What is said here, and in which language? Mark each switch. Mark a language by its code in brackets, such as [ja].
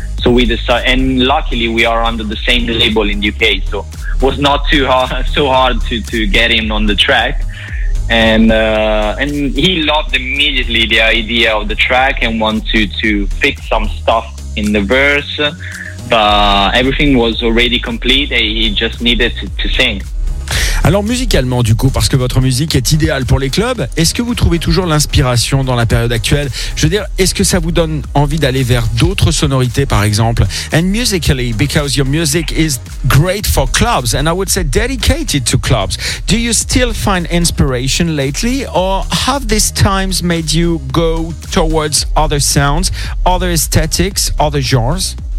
[en] So we decided, and luckily we are under the same label in the UK, so was not too hard, so hard to get him on the track. And he loved immediately the idea of the track and wanted to fix some stuff in the verse. But everything was already complete and he just needed to sing. [fr] Alors musicalement du coup, parce que votre musique est idéale pour les clubs, est-ce que vous trouvez toujours l'inspiration dans la période actuelle? Je veux dire, est-ce que ça vous donne envie d'aller vers d'autres sonorités par exemple? [en] And musically, because your music is great for clubs and I would say dedicated to clubs, do you still find inspiration lately, or have these times made you go towards other sounds, other aesthetics, other genres?